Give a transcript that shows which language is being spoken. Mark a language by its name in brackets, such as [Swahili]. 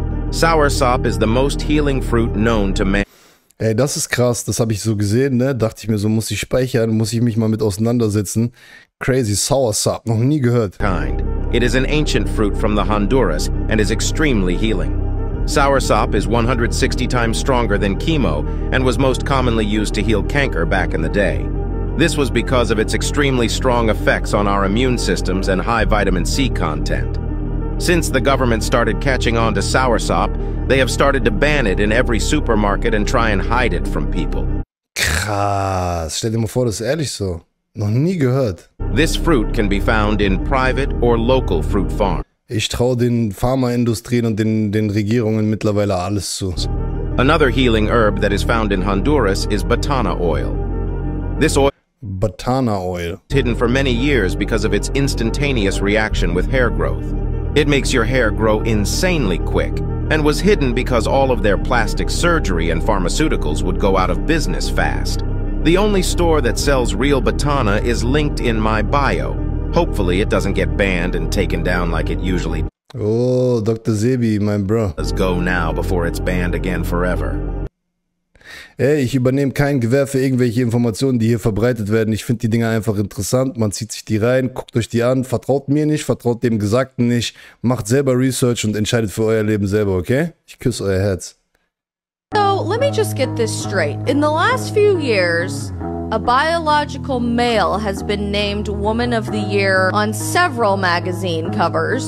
[English] Soursop is the most healing fruit known to man. [German] Ey, das ist krass. Das habe ich so gesehen, ne? Dachte ich mir so, muss ich speichern, muss ich mich mal mit auseinandersetzen. Crazy, soursop, noch nie gehört. Kind. [English] It is an ancient fruit from the Honduras and is extremely healing. Soursop is 160 times stronger than chemo and was most commonly used to heal canker back in the day. This was because of its extremely strong effects on our immune systems and high vitamin C content. Since the government started catching on to soursop, they have started to ban it in every supermarket and try and hide it from people. [German] Krass, stell dir mal vor, das ist ehrlich so. Noch nie gehört. [English] This fruit can be found in private or local fruit farms. [German] Ich traue den Pharmaindustrien und den Regierungen mittlerweile alles zu. [English] Another healing herb that is found in Honduras is batana oil. This oil, batana oil, hidden for many years because of its instantaneous reaction with hair growth. It makes your hair grow insanely quick and was hidden because all of their plastic surgery and pharmaceuticals would go out of business fast. The only store that sells real batana is linked in my bio. Hopefully it doesn't get banned and taken down like it usually. [German] Oh, Dr. Sebi, mein Bro. [English] Let's go now before it's banned again forever. [German] Ey, ich übernehme kein Gewähr für irgendwelche Informationen, die hier verbreitet werden. Ich finde die Dinger einfach interessant. Man zieht sich die rein, guckt euch die an. Vertraut mir nicht, vertraut dem Gesagten nicht. Macht selber Research und entscheidet für euer Leben selber, okay? Ich küsse euer Herz. [English] So, let me just get this straight. In the last few years, a biological male has been named Woman of the Year on several magazine covers.